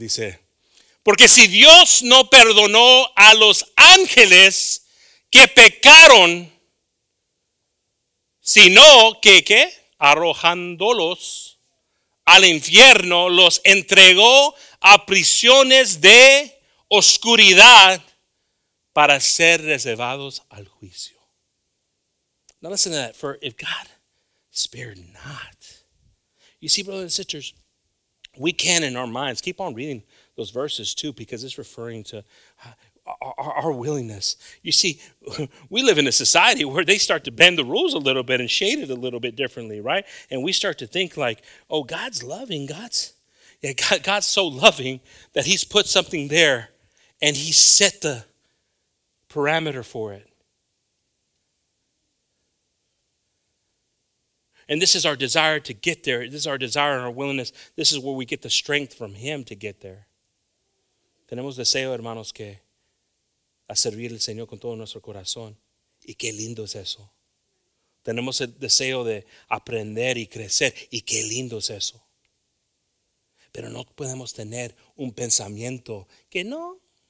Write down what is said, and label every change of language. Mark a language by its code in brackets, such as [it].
[es] Dice, porque si Dios no perdonó a los ángeles que pecaron, sino que, ¿qué? Arrojándolos al infierno, los entregó a prisiones de oscuridad para ser reservados al juicio. [en] Now listen to that. For if God spared not. You see, brothers and sisters, we can in our minds keep on reading those verses too, because it's referring to our willingness. You see, we live in a society where they start to bend the rules a little bit and shade it a little bit differently, right? And we start to think like, oh, God's loving. God's so loving that he's put something there and he set the parameter for it. And this is our desire to get there. This is our desire and our willingness. This is where we get the strength from him to get there. [es] Tenemos deseo, hermanos, que a servir al Señor con todo nuestro corazón. Y qué lindo es eso. Tenemos el deseo de aprender y crecer. Y qué lindo es eso. Pero no podemos tener un pensamiento que no.